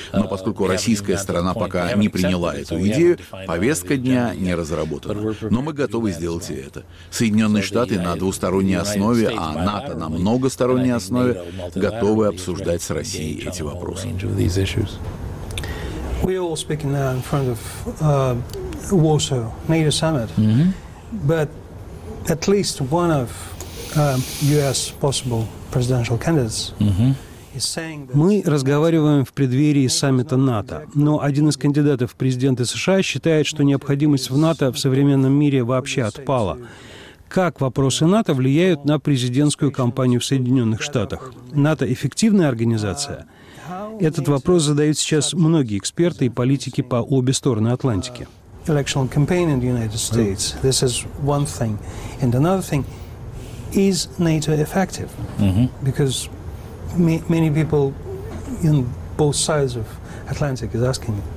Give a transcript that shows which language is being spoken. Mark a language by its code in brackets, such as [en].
[ru] Но поскольку российская сторона пока не приняла эту идею, повестка дня не разработана. Но мы готовы сделать и это. Соединенные Штаты на двусторонней основе, а НАТО на многосторонней основе, готовы обсуждать с Россией эти вопросы. [en] We are all speaking now in front of Warsaw NATO summit, mm-hmm. but at least one of U.S. possible presidential candidates. Mm-hmm. [ru] Мы разговариваем в преддверии саммита НАТО, но один из кандидатов в президенты США считает, что необходимость в НАТО в современном мире вообще отпала. Как вопросы НАТО влияют на президентскую кампанию в Соединенных Штатах? НАТО — эффективная организация? Этот вопрос задают сейчас многие эксперты и политики по обе стороны Атлантики. [en] Electoral campaign in the United States. This is one thing. And another thing, is NATO effective? Because many people in both sides of Atlantic is asking.